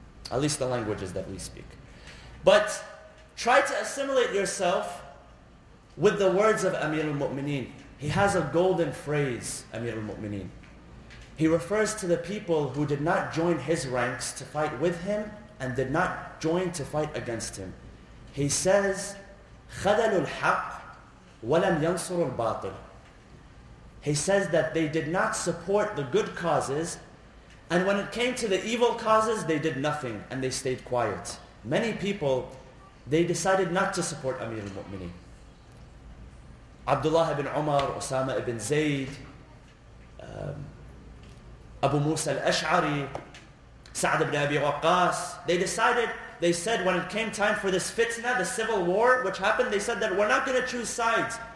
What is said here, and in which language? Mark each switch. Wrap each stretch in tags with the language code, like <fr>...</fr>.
<en>At least the languages that we speak. But try to assimilate yourself with the words of Amir al-Mu'mineen. He has a golden phrase, Amir al-Mu'mineen. He refers to the people who did not join his ranks to fight with him and did not join to fight against him. He says,</en> <ar>خَذَلُوا الْحَقِّ وَلَمْ يَنْصُرُوا الْبَاطِلِ.</ar> <en>He says that they did not support the good causes, and when it came to the evil causes, they did nothing and they stayed quiet. Many people, they decided not to support Amir al-Mu'mineen. Abdullah ibn Umar, Osama ibn Zayd, Abu Musa al-Ash'ari, Sa'd ibn Abi Waqqas, they said when it came time for this fitna, the civil war which happened, they said that we're not going to choose sides.</en>